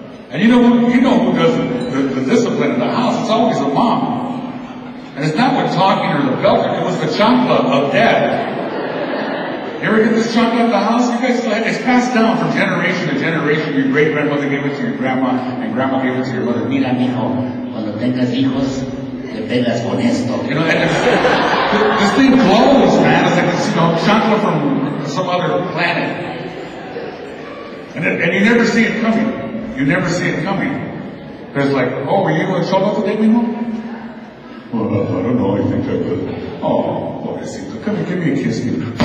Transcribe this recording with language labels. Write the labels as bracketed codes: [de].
[en] And you know who does the discipline in the house? It's always the mom. And it's not with talking or the belt. It was the chancla of dad. You ever get this chancla at the house? You guys, it's passed down from generation to generation. Your great-grandmother gave it to your grandma, and grandma gave it to your mother. [es] Mira, mijo, cuando tengas hijos, te pegas con esto. [en] You know, and this thing glows, man. It's like, you know, chancla from some other planet. And you never see it coming. You never see it coming. It's like, oh, were you in trouble today, mijo? Well, I don't know. I think I could. Oh, pobrecito. Come here, give me a kiss, you.